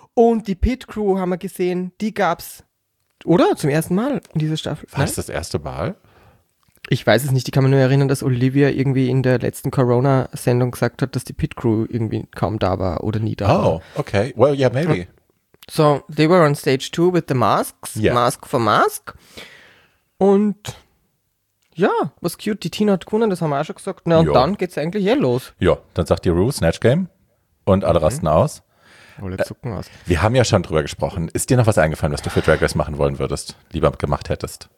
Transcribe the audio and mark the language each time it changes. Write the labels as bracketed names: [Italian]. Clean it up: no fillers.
[German] Und die Pit Crew haben wir gesehen. Die gab's, oder? Zum ersten Mal in dieser Staffel. War das erste Mal? Ich weiß es nicht, ich kann mich nur erinnern, dass Olivia irgendwie in der letzten Corona-Sendung gesagt hat, dass die Pit Crew irgendwie kaum da war oder nie da war. [English] Oh, okay. Well, yeah, maybe. So, they were on stage 2 with the masks, yeah. Mask for mask. [German] Und ja, [English] was cute, [German] die Tina hat gewonnen, das haben wir auch schon gesagt. Na, und jo. Dann geht's eigentlich hier los. Ja, dann sagt die Rue, Snatch Game und alle rasten aus. Alle zucken aus. Wir haben ja schon drüber gesprochen. Ist dir noch was eingefallen, was du für Drag Race machen wollen würdest, lieber gemacht hättest?